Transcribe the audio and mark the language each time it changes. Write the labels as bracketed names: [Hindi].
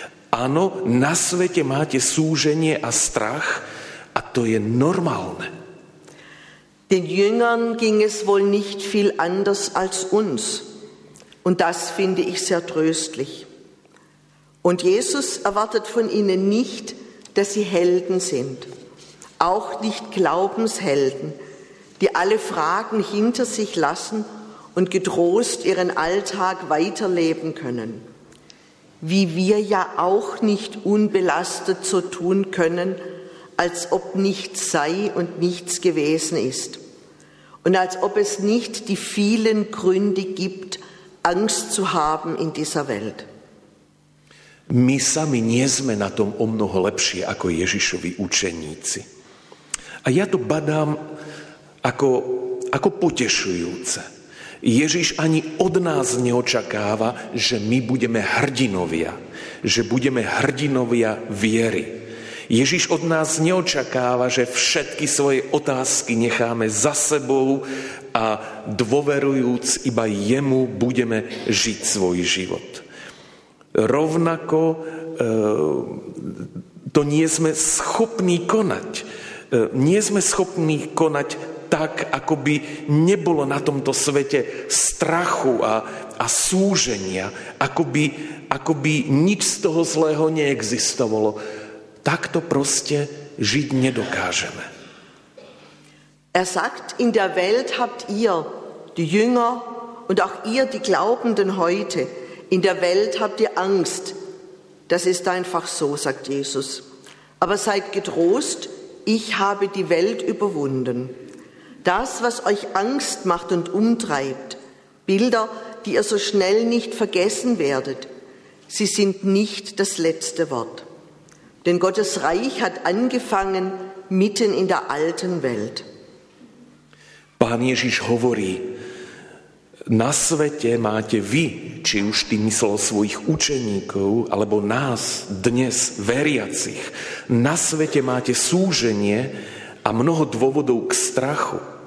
[Slovak] Áno, na svete máte súženie a strach a to je normálne. [German] Den Jüngern ging es wohl nicht viel anders als uns. Und das finde ich sehr tröstlich. Und Jesus erwartet von ihnen nicht, dass sie Helden sind. Auch nicht Glaubenshelden, die alle Fragen hinter sich lassen und getrost ihren Alltag weiterleben können. Wie wir ja auch nicht unbelastet so tun können, als ob nichts sei und nichts gewesen ist. Und als ob es nicht die vielen Gründe gibt, Angst zu haben in dieser Welt. [Slovak] My sami nie sme na tom o mnoho lepšie ako Ježišovi učeníci. A ja to badám ako potešujúce. Ježiš ani od nás neočakáva, že my budeme hrdinovia. Že budeme hrdinovia viery. Ježiš od nás neočakáva, že všetky svoje otázky necháme za sebou a dôverujúc iba jemu budeme žiť svoj život. Rovnako to nie sme schopní konať. Nie sme schopní konať tak, ako by nebolo na tomto svete strachu a súženia, ako by nič z toho zlého neexistovalo. Takto proste žiť nedokážeme. [German] Er sagt, in der Welt habt ihr, die Jünger und auch ihr, die Glaubenden heute, in der Welt habt ihr Angst. Das ist einfach so, sagt Jesus. Aber seid getrost, ich habe die Welt überwunden. Das, was euch Angst macht und umtreibt, Bilder, die ihr so schnell nicht vergessen werdet, sie sind nicht das letzte Wort. Denn Gottes Reich hat angefangen mitten in der alten Welt. [Slovak] Pán Ježiš hovorí, na svete máte vy, či už tým myslel svojich učeníkov, alebo nás, dnes, veriacich, na svete máte súženie a mnoho dôvodov k strachu.